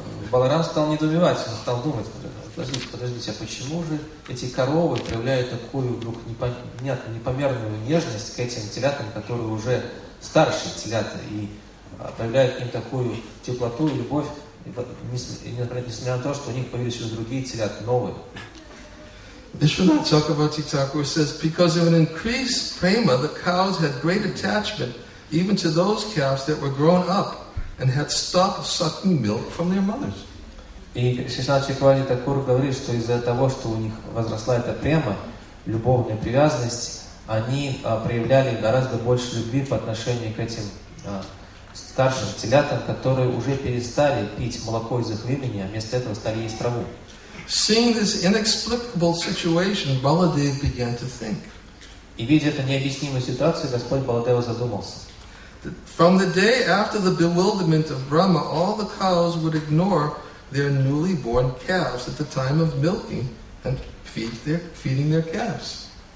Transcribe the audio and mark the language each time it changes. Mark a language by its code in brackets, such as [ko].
[ru] Баларам стал недоумевать, он стал думать, подождите, а почему же эти коровы проявляют такую вдруг непомерную нежность к этим телятам, которые уже старше телята, и проявляют им такую теплоту и любовь, несмотря на то, что у них появились уже другие телята, новые. [en] Вишванатха Чакраварти Такур says, because of an increased prema, the cows had great attachment even to those calves that were grown up and had stopped sucking milk from their mothers. [ru] И Вишванатха Чакраварти Такур говорит, что из-за того, что у них возросла эта према, любовная привязанность, они проявляли гораздо больше любви по отношению к этим старшим телятам, которые уже перестали пить молоко из их вымени, а вместо этого стали есть траву. [en] Seeing this inexplicable situation, Baladev began to think. [ru] И видя эту необъяснимую ситуацию, Господь Баладева задумался. [en] From the day after the bewilderment of Brahma, all the cows would ignore their newly born calves at the time of milking and feed their calves.